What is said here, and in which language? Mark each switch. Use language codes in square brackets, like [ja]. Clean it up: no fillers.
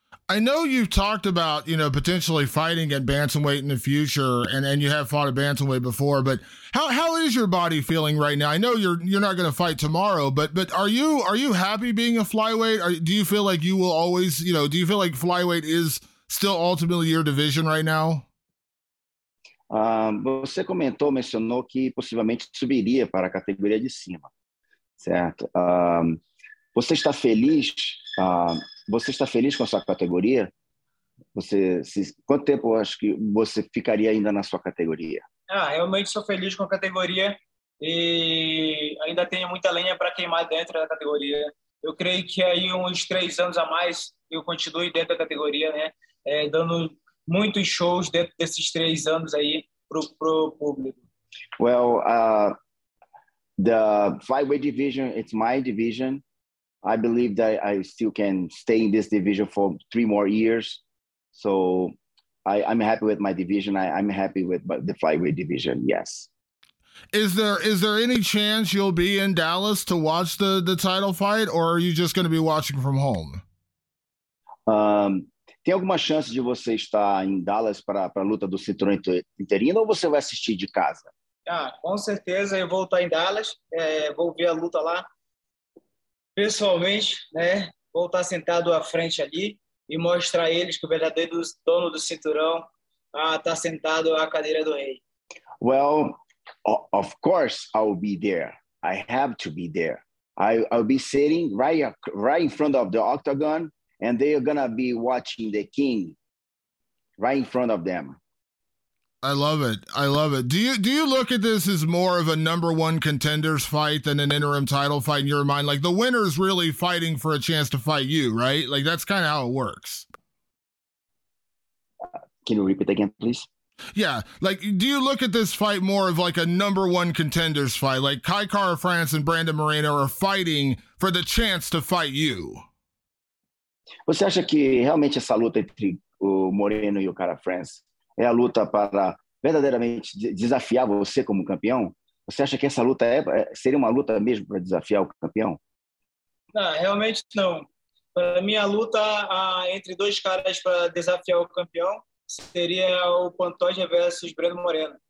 [en] I know you've talked about, you know, potentially fighting at bantamweight in the future, and you have fought at bantamweight before, but how is your body feeling right now? I know you're not going to fight tomorrow, but are you happy being a flyweight? Do you feel like you will always, you know, do you feel like flyweight is still ultimately your division right now? [pt] Você mencionou que possivelmente subiria para a categoria de cima, certo? Você está feliz? Você está feliz com a sua categoria? Quanto tempo acho que você ficaria ainda na sua categoria? Ah, realmente sou feliz com a categoria e ainda tenho muita lenha para queimar dentro da categoria. Eu creio que aí uns 3 anos a mais eu continue dentro da categoria, né? Dando muitos shows dentro desses 3 anos aí pro público. [en] Well, the flyweight division, it's my division. I believe that I still can stay in this division for 3 more years. So I'm happy with my division. I'm happy with the flyweight division, yes. Is there any chance you'll be in Dallas to watch the title fight, or are you just going to be watching from home? [pt] Tem alguma chance de você estar em Dallas para a luta do cinturão interino, ou você vai assistir de casa? Ah, com certeza eu vou estar em Dallas. Vou ver a luta lá. Pessoalmente, né, vou estar sentado à frente ali e mostrar a eles que o verdadeiro dono do cinturão está sentado à cadeira do rei. [en] Well, of course I'll be there. I have to be there. I'll be sitting right in front of the octagon, and they're gonna be watching the king right in front of them. I love it. I love it. Do you look at this as more of a number one contenders fight than an interim title fight in your mind? Like, the winner is really fighting for a chance to fight you, right? Like, that's kind of how it works. Can you repeat again, please? Yeah. Like, do you look at this fight more of like a number one contenders fight? Like, Kai Kara France and Brandon Moreno are fighting for the chance to fight you. [pt] Você acha que realmente essa luta entre o Moreno e o Kara France é a luta para verdadeiramente desafiar você como campeão? Você acha que essa luta seria uma luta mesmo para desafiar o campeão? Não, realmente não. Para mim, a luta entre dois caras para desafiar o campeão seria o Pantoja versus Breno Moreno.